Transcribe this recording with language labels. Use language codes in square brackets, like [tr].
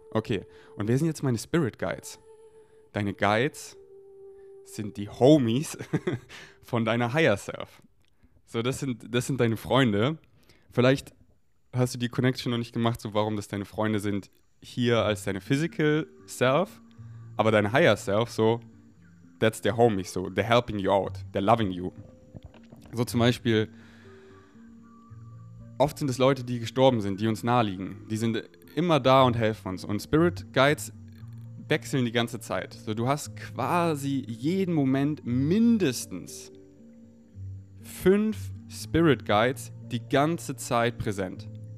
[de] Okay, und wer sind jetzt meine Spirit Guides? Deine Guides sind die Homies von deiner Higher Self. So, das sind deine Freunde. Vielleicht hast du die Connection noch nicht gemacht, so warum das deine Freunde sind hier als deine Physical Self. Aber deine Higher Self, [en] so, that's their Homies, so, they're helping you out, they're loving you. [de] So zum Beispiel, oft sind es Leute, die gestorben sind, die uns naheliegen. Die sind immer da und helfen uns. Und Spirit Guides wechseln die ganze Zeit. So, du hast quasi jeden Moment mindestens 5 Spirit Guides die ganze Zeit präsent.